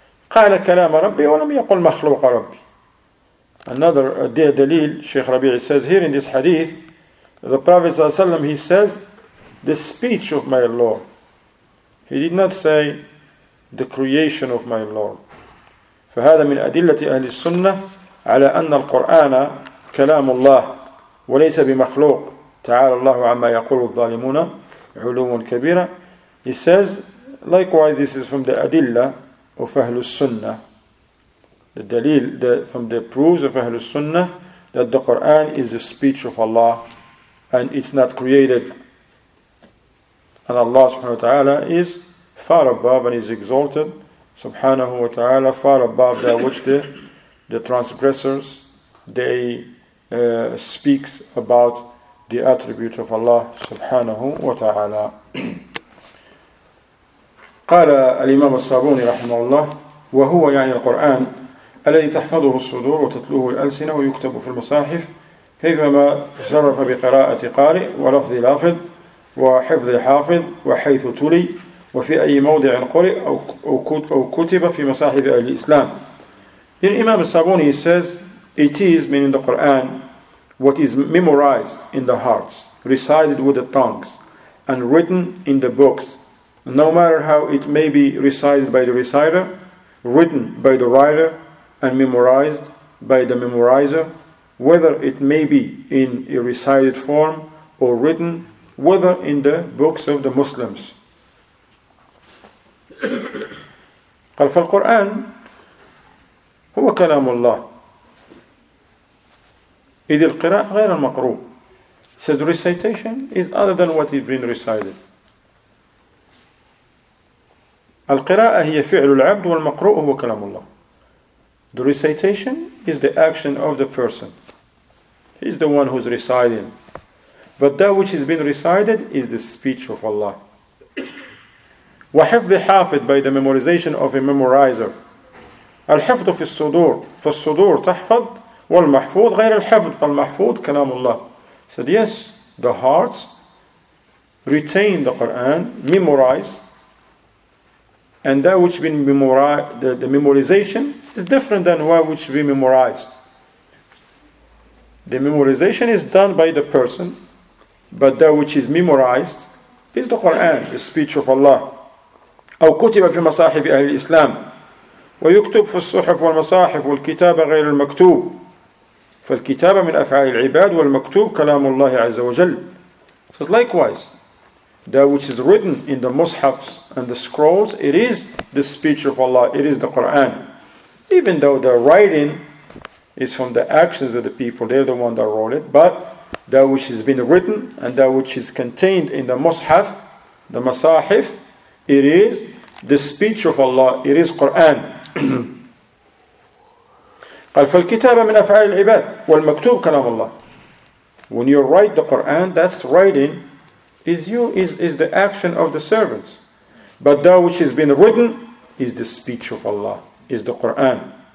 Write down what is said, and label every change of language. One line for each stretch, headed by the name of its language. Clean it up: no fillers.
Arabic: Qala Kalam Rabbi, wa lam yaqul makhluq Rabbi.
English: Another dalil, Shaykh Rabi'i says here in this hadith, the Prophet ﷺ, he says, the speech of my Lord. He did not say, the creation of my Lord.
Arabic: فهذا من أدلة أهل السنة على أن القرآن كلام الله وليس بمخلوق. تعالى الله عما يقول الظالمون علوم كبيرة.
English: He says, likewise, this is from the أدلة of أهل السنة. The dalil, from the proofs of Ahl al-Sunnah, that the Qur'an is the speech of Allah, and it's not created. And Allah subhanahu wa ta'ala is far above and is exalted, subhanahu wa ta'ala, far above that which the transgressors, they speak about the attribute of Allah subhanahu wa ta'ala.
Arabic: قال الإمام الصابوني رحمه الله وهو يعني القرآن الذي تحفظه الصدور وتتلوه الألسنة ويكتب في المصاحف كيفما تصرف بقراءة قارئ ولفظ لافظ وحفظ حافظ وحيث تلي وفي أي موضع قرئ أو كتب في مصاحف أهل الإسلام.
English: Then Imam Sabuni says, it is, meaning the Quran, what is memorized in the hearts, recited with the tongues, and written in the books. No matter how it may be recited by the reciter, written by the writer, and memorized by the memorizer, whether it may be in a recited form or written, whether in the books of the Muslims.
Arabic: قال فالقرآن هو كلام الله إذ القراءة غير المقروء.
English: Says the recitation is other than what is being recited.
Arabic: القراءة هي فعل العبد والمقروء هو كلام الله.
English: The recitation is the action of the person. He is the one who is reciting. But that which has been recited is the speech of Allah.
Arabic: وحفظ حافظ
English: by the memorization of a memorizer.
Arabic: الحفظ في الصدور فالصدور تحفظ والمحفوظ غير الحفظ فالمحفوظ كلام الله.
English: Said yes, the hearts retain the Quran, memorize, and that which been memorized, the memorization is different than what which been memorized. The memorization is done by the person, but that which is memorized is the Quran, the speech of Allah.
Arabic: أو كتب في مصاحف أهل الإسلام ويكتب في الصحف والمصاحف والكتابة غير المكتوب فالكتابة من أفعال العباد والمكتوب كلام الله عز وجل.
English: So likewise, that which is written in the mushafs and the scrolls, it is the speech of Allah, it is the Quran. Even though the writing is from the actions of the people, they're the one that wrote it, but that which has been written and that which is contained in the mushaf, the masahif, it is the speech of Allah, it is Quran.
Arabic: قال فالكتابة من أفعال العباد والمكتوب كلام الله.
English: When you write the Quran, that's writing is the action of the servants. But that which has been written is the speech of Allah, is the Quran.